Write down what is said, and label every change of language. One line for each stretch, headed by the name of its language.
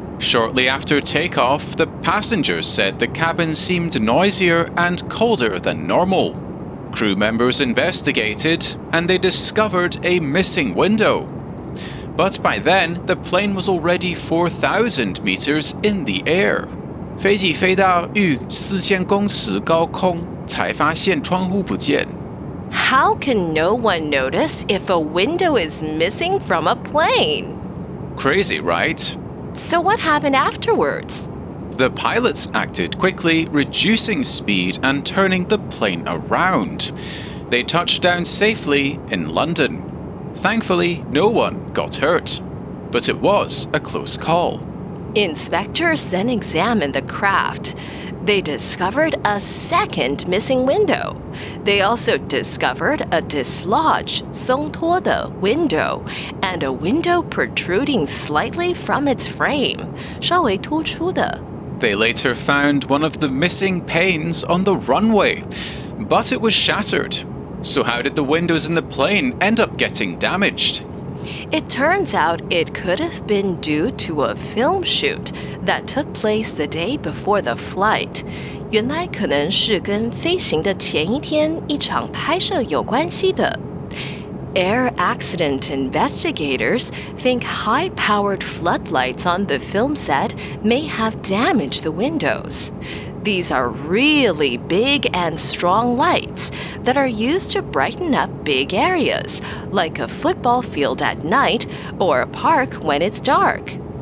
English: Shortly after takeoff, the passengers said the cabin seemed noisier and colder than normal. Crew members investigated, and they discovered a missing window. But by then, the plane was already 4,000 meters in the air.
Chinese: 飞机飞到逾4000公尺高空才发现窗户不见。
English: How can no one notice if a window is missing from a plane? Crazy, right? So what happened afterwards? The pilots acted quickly, reducing speed and turning the plane around. They touched down safely in London. Thankfully, no one got hurt. But it was a close call. Inspectors then examined the craft. They discovered a second missing window. They also discovered a dislodged
Chinese: 松脱的
English: window and a window protruding slightly from its frame,
Chinese: 稍微突出的。
English: They later found one of the missing panes on the runway, but it was shattered. So how did the windows in the plane end up getting damaged? It turns out it could have been due to a film shoot that took place the day before the flight.
Chinese: 原来可能是跟飞行的前一天一场拍摄有关系的。
English: Air accident investigators think high-powered floodlights on the film set may have damaged the windows. These are really big and strong lights that are used to brighten up big areas, like a football field at night or a park when it's dark.